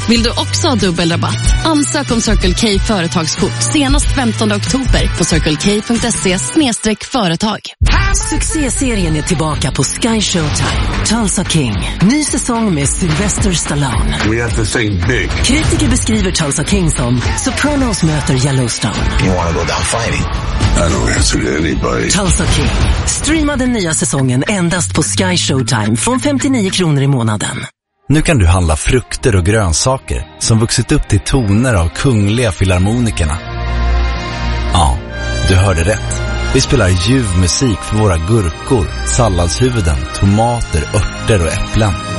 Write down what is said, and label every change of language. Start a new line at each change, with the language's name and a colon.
Swedish: Vill du också ha dubbel rabatt? Ansök om Circle K företagskort senast 15 oktober på circlek.se/företag. Succéserien är tillbaka på Sky Showtime. Tulsa King. Ny säsong med Sylvester Stallone.
English: We have to think big.
Swedish: Kritiker beskriver Tulsa King som Sopranos möter Yellowstone.
English: You wanna go down fighting? I don't answer to anybody.
Swedish: Tulsa King. Streama den nya säsongen endast på Sky Showtime från 59 kronor i månaden. Nu kan du handla frukter och grönsaker som vuxit upp till toner av kungliga filharmonikerna. Ja, du hörde rätt. Vi spelar ljuv musik för våra gurkor, salladshuvuden, tomater, örter och äpplen.